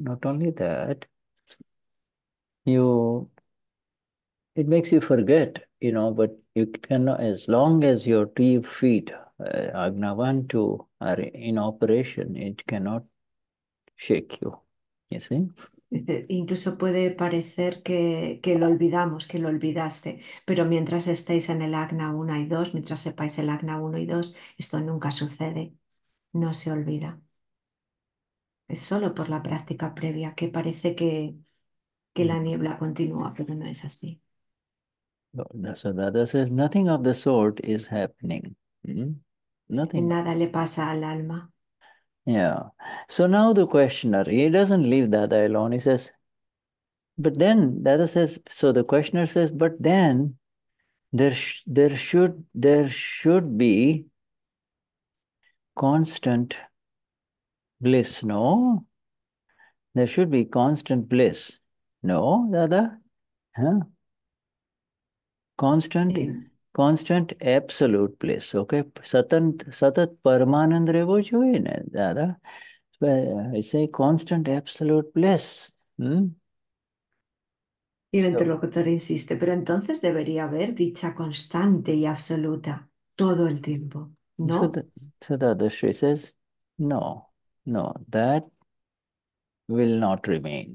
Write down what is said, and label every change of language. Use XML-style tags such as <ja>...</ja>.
<en>Not only that, it makes you forget, but you cannot, as long as your 2 feet, Agna 1, 2, are in operation, it cannot shake you, you see?</en> <es>Incluso puede parecer que lo olvidamos, que lo olvidaste, pero mientras estéis en el Agna 1 y 2, mientras sepáis el Agna 1 y 2, esto nunca sucede, no se olvida. Es solo por la práctica previa que parece que la niebla continúa, pero no es así.</es> <en>So Dada says nothing of the sort is happening.</en> <es>En</es> <en>Nothing.</en> <es>nada le pasa al alma.</es> <en>Yeah. So now the questioner, he doesn't leave Dada alone. He says, but then Dada says, so the questioner says, but then there should be constant bliss, no? There should be constant bliss. No, Dada? Huh? Constant absolute bliss. Okay.</en> <gu>Satat Paramananda Revojoin, Dada.</gu> <en>So, I say constant absolute bliss.</en> <es>Y el</es> <en>So.</en> <es>interlocutor insiste, pero entonces debería haber dicha constante y absoluta todo el tiempo, ¿no?</es> <en>Dada Shri says, no, that will not remain.</en>